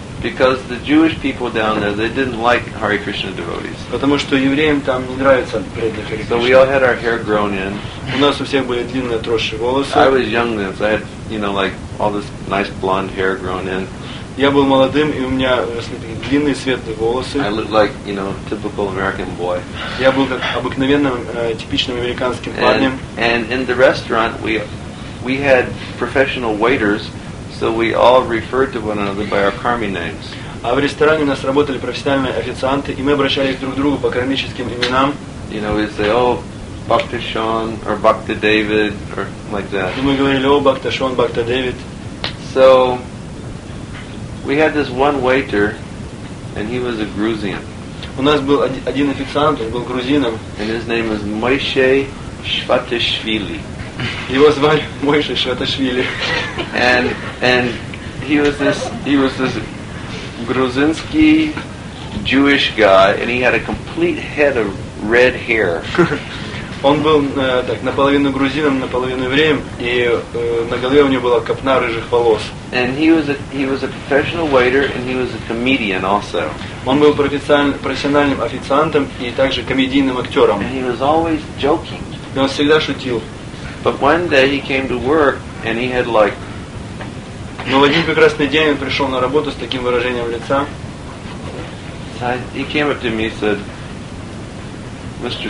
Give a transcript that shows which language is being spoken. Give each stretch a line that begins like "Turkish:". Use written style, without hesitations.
English: Because the Jewish people down there, they didn't like Hare Krishna devotees.
Russian: Потому что евреям там не нравятся преданные Хари Кришна.
English: So we all had our hair grown in.
Russian: У нас у всех были длинные отросшие волосы.
English: I was young then, so I had, you know, like all this nice blonde hair grown in.
Russian: Я был молодым, и у меня росли такие длинные светлые волосы.
English: I looked like, you know, typical American boy.
Russian: Я был как обыкновенным, типичным американским парнем.
English: And in the restaurant, we had professional waiters, so we all referred to one another by our karmi names.
Russian: А в ресторане у нас работали профессиональные официанты, и мы обращались друг к другу по кармическим именам.
English: You know, we'd say, oh, Bhakta Sean, or Bhakta David, or like that.
Russian: И мы говорили, о, Бхакта Шон, Бхакта Дэвид.
English: So... We had this one waiter, and he was a Gruzian.
Russian: У нас был один официант, он был грузином.
English: And his name was Moshe Shvatashvili.
Russian: Его звали Моше Шваташвили.
English: And he was this Gruzinsky Jewish guy, and he had a complete head of red hair.
Russian: Он был так, наполовину грузином, наполовину евреем, и на голове у него была копна рыжих волос.
English: And he was a professional waiter and he was a comedian also.
Russian: Он был профессиональным официантом и также комедийным актером.
English: And he was always joking.
Russian: И он всегда шутил.
English: But one day he came to work and he had like.
Russian: Но в один прекрасный день он пришел на работу с таким выражением лица.
English: He came up to me and said, Mr.